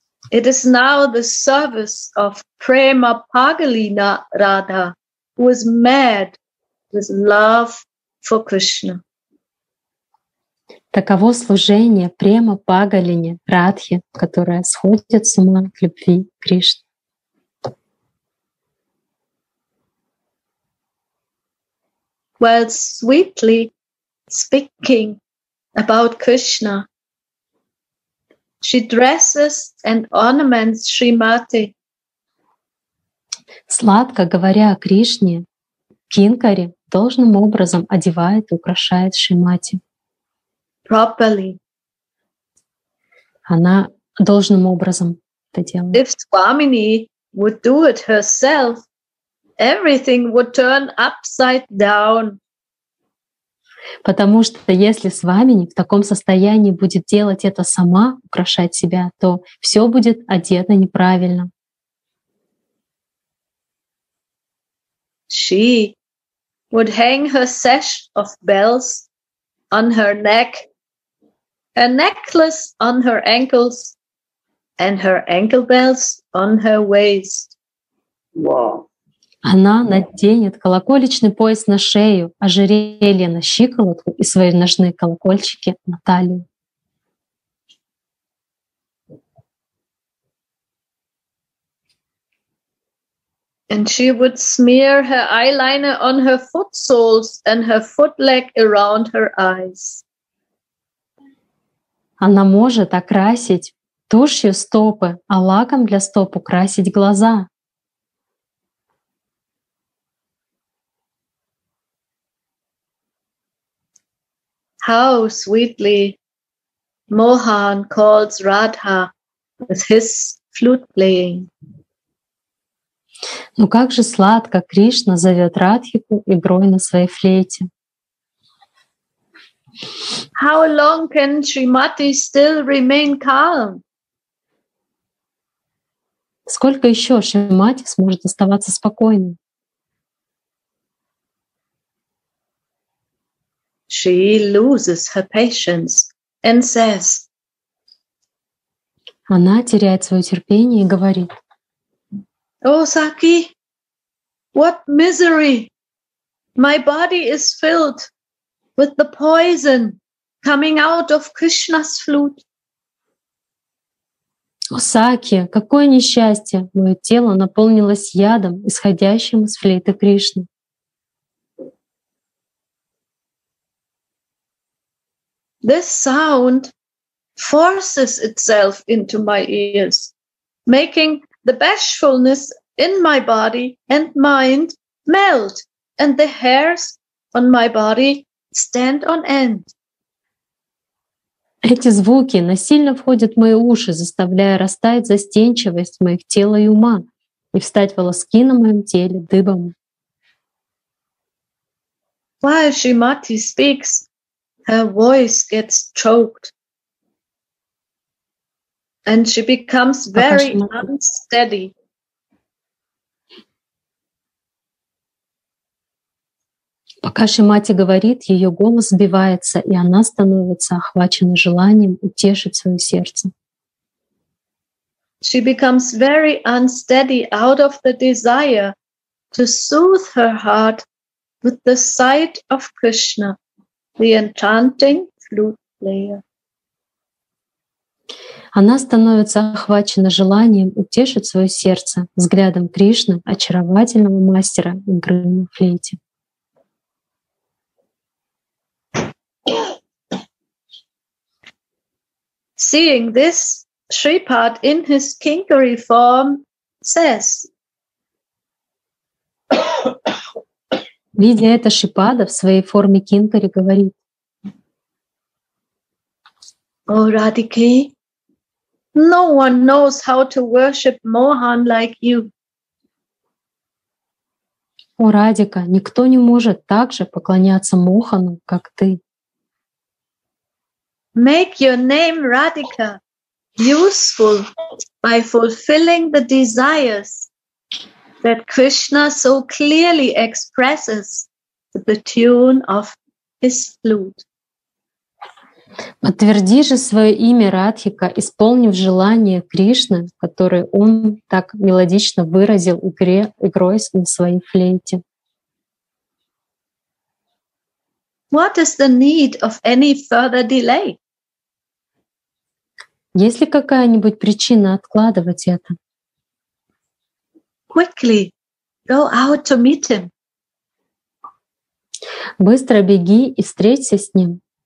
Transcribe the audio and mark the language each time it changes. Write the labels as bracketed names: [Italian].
[English] It is now the service of Prema Pagalina Radha, who is mad with love for Krishna. [Russian] Таково служение Према Пагалине Радхи, которая сходит с ума в любви к Кришне. [English] Well, sweetly speaking about Krishna, she dresses and ornaments Srimati. [Russian] Сладко говоря о Кришне, Кинкари должным образом одевает и украшает Шримати. [English] Properly. [Russian] Она должным образом это делает. [English] If Swamini would do it herself, everything would turn upside down. [Russian] Потому что если Свамини в таком состоянии будет делать это сама, украшать себя, то все будет одето неправильно. [English] She would hang her sash of bells on her neck, a necklace on her ankles, and her ankle bells on her waist. [Russian] Она наденет колокольчатый пояс на шею, ожерелье на щиколотку и свои ножные колокольчики на талию. [English] And she would smear her eyeliner on her foot soles and her foot leg around her eyes. [Russian] Она может окрасить тушью стопы, а лаком для стоп украсить глаза. [English] How sweetly Mohan calls Radha with his flute playing. [Russian] Ну как же сладко Кришна зовет Радхику игрой на своей флейте. [English] How long can Srimati still remain calm? [Russian] Сколько еще Шримати сможет оставаться спокойной? [English] She loses her patience and says. [Russian] Она теряет свое терпение и говорит. [English] О, Саки, what misery! My body is filled with the poison coming out of Krishna's flute. [Russian] О, Саки, какое несчастье! Мое тело наполнилось ядом, исходящим из флейты Кришны. [English] This sound forces itself into my ears, making the bashfulness in my body and mind melt, and the hairs on my body stand on end. [Russian] Эти звуки насильно входят в мои уши, заставляя растаять застенчивость моих тела и ума и встать волоски на моем теле дыбом. [English] While Shrimati speaks, her voice gets choked, and she becomes very unsteady. [Russian] Пока Шримати говорит, ее голос сбивается, и она становится охваченной желанием утешить свое сердце. [English] She becomes very unsteady out of the desire to soothe her heart with the sight of Krishna, the enchanting flute player. [Russian] Она становится охвачена желанием утешить свое сердце взглядом Кришны, очаровательного мастера игры на флейте. [English] Seeing this, Shripad in his kinkari form says. [Russian] Видя это, Шрипада в своей форме кинкари говорит. [English] О, Радике, no one knows how to worship Mohan like you. [Russian] О, Радика, никто не может так же поклоняться Мохану, как ты. [English] Make your name Radhika useful by fulfilling the desires that Krishna so clearly expresses with the tune of his flute. [Russian] Подтверди же свое имя Радхика, исполнив желание Кришны, которое он так мелодично выразил игрой на своей флейте. [English] What is the need of any further delay? [Russian] Есть ли какая-нибудь причина откладывать это? [English] Quickly, go out to meet him. [Russian] Быстро беги и встреться с ним.